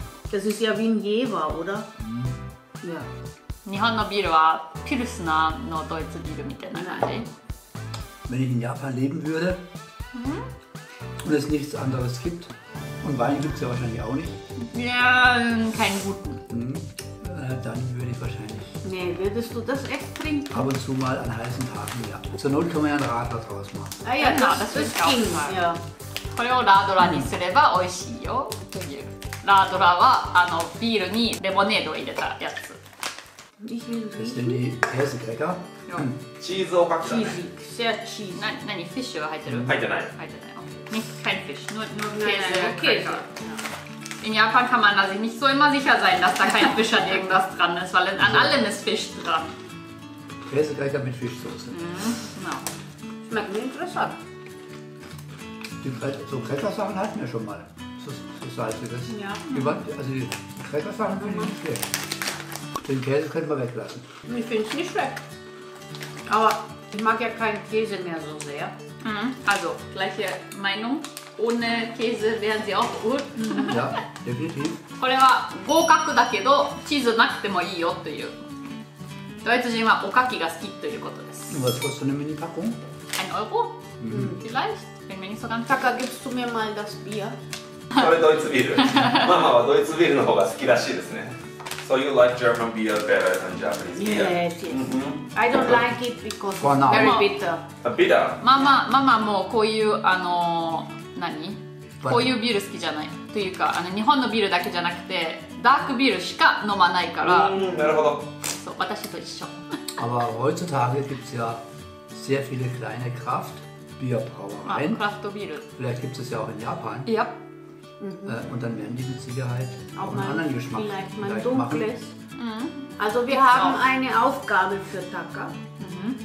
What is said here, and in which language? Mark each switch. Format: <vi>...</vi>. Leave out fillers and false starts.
<de>Das ist ja wie ein Jever, oder? Ja.</de> <ja>日本のビールはピルスナーのドイツビールみたいな感じ。</ja> <de>Wenn ich in Japan leben würde, und es nichts anderes gibt, und Wein gibt es ja wahrscheinlich auch nicht. Ja, keinen guten. Dann würde ich wahrscheinlich... Nee, würdest du das echt trinken? Ab und zu mal an heißen Tagen, ja. Zur Not kann man ja einen Radler draus machen. Ah ja, genau, das ist auch ging, mal. Ja.</de> <ja>これをラードラにすれば美味しいよ。ラードラはあのビールにレモネードを入れたやつ。</ja> <de>Das sind die Käsecracker. Cheese auch ganz schön. Cheesy, sehr cheesy. Nein, nein, Fisch ist heute drin. Heute nein. Nicht kein Fisch, nur Käse. In Japan kann man sich nicht so immer sicher sein, dass da kein Fisch an irgendwas dran ist, weil an allem ist Fisch dran. Käsecracker mit Fischsoße. Genau. Schmeckt mir interessant. So Cracker-Sachen hatten wir schon mal. So salziges. Ja. Also die Cracker-Sachen finde ich nicht schlecht. Den Käse können wir weglassen. Ich finde es nicht schlecht. Aber ich mag ja keinen Käse mehr so sehr. Also, gleiche Meinung. Ohne Käse wären sie auch gut. Ja, definitiv.</de> <ja>これは合格だけど、チーズなくてもいいよという。ドイツ人はおかきが好きということです。</ja> <de>Was kostet eine Mini-Packung? Ein Euro? Vielleicht? Wenn mir nicht so ganz... Taka, gibst du mir mal das Bier?</de> <ja>それドイツビール。ママはドイツビールの方が好きらしいですね。</ja> <en>So you like German beer better than Japanese beer? Yes, yes. I don't like it because it's very bitter. A bitter?</en> <ja>ママもこういう何こういうビール好きじゃないというか、あの日本のビールだけじゃなくてダークビールしか飲まないから。うん、なるほど。そう、私と一緒。</ja> <de>Aber heutzutage gibt es ja sehr viele kleine Kraft-Bierbrauereien. Kraft-Bier. Vielleicht gibt es ja auch in Japan. Ja. Mhm. Und dann werden die mit Sicherheit auch einen anderen Geschmack vielleicht mal dunkles. Mhm. Also wir haben eine Aufgabe für Taka. Mhm.</de>